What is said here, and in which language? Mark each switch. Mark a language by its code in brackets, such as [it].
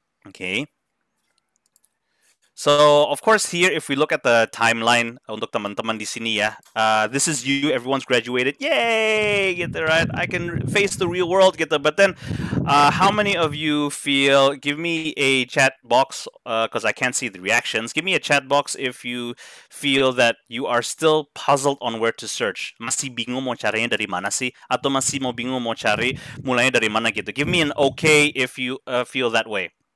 [en] Okay. So, of course, here, if we look at the timeline, [id] untuk teman-teman di sini ya, [en] this is you, everyone's graduated, yay, gitu, right? I can face the real world, gitu. But then, how many of you feel, give me a chat box, because I can't see the reactions, give me a chat box if you feel that you are still puzzled on where to search. [id] Masih bingung mau carinya dari mana sih? Atau masih mau bingung mau cari mulainya dari mana, gitu. [en] Give me an okay if you feel that way.